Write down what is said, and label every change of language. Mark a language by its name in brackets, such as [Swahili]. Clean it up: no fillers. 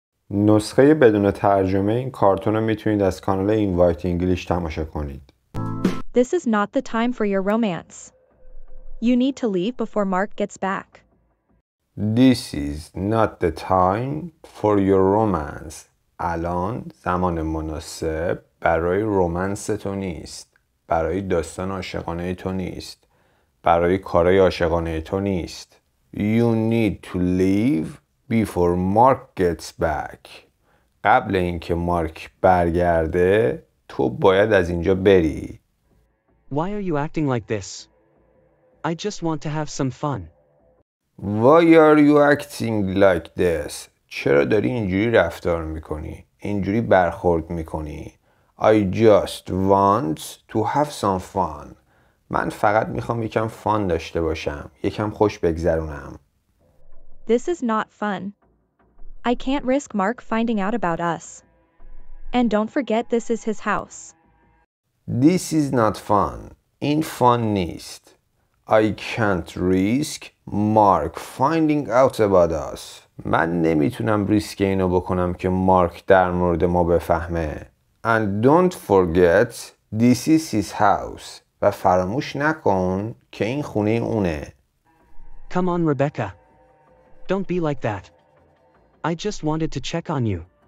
[Persian] نسخه بدون ترجمه این کارتون رو میتونید از کانال این وایت انگلیش تماشا کنید. [English] This is not the time for your romance. You need to leave before Mark gets back. This is not the time for your romance. [Persian] الان زمان مناسب برای رومانس تو نیست. برای داستان عاشقانه تو نیست. برای کارهای عاشقانه تو نیست. [English] You need to leave before Mark gets back. [Persian] قبل اینکه مارک برگرده تو باید از اینجا بری. [English] Why are you acting like this? I just want to have some fun. Why are you acting like this? [Persian] چرا داری اینجوری رفتار میکنی؟ اینجوری برخورد میکنی؟ [English] I just want to have some fun. [Persian] من فقط میخوام یکم فان داشته باشم. یکم خوش بگذرونم. [English] This is not fun. I can't risk Mark finding out about us. And don't forget this is his house. This is not fun. [Persian] این فان نیست. [English] I can't risk Mark finding out about us. [Persian] من نمیتونم ریسک اینو بکنم که مارک در مورد ما بفهمه. [English] And don't forget this is his house. [Persian] و فراموش نکن که این خونه اونه. [English] Come on, Rebecca. Don't be like that. I just wanted to check on you.